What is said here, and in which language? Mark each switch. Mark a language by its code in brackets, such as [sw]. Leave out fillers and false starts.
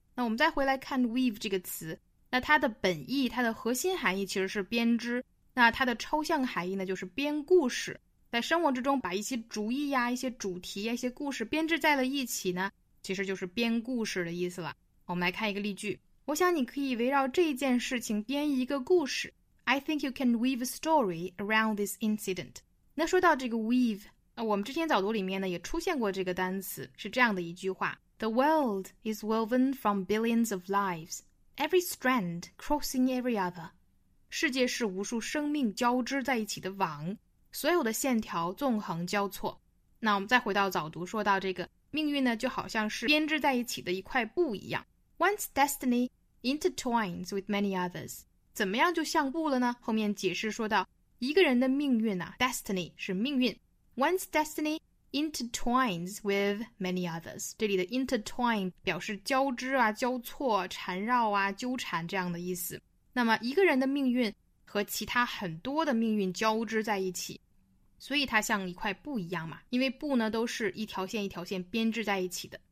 [zh] 那我们再回来看 weave 这个词，那它的本意它的核心含义其实是编织，那它的抽象含义呢就是编故事，在生活之中把一些主意呀、一些主题呀、一些故事编织在了一起呢，其实就是编故事的意思了。我们来看一个例句，我想你可以围绕这件事情编一个故事。 [en] I think you can weave a story around this incident。 [zh] 那说到这个 weave， 我们之前早读里面呢也出现过这个单词，是这样的一句话， [en] The world is woven from billions of lives, every strand crossing every other。 [zh] 世界是无数生命交织在一起的网，所有的线条纵横交错。那我们再回到早读，说到这个命运呢就好像是编织在一起的一块布一样， [en] One's destiny intertwines with many others， [zh] 怎么样就像布了呢？后面解释说到一个人的命运啊， destiny 是命运， [en] One's destiny intertwines with many others. [zh] 这里的 intertwine 表示交织啊、交错、缠绕啊、纠缠这样的意思。那么一个人的命运和其他很多的命运交织在一起，所以它像一块布一样嘛，因为布呢都是一条线一条线编织在一起的。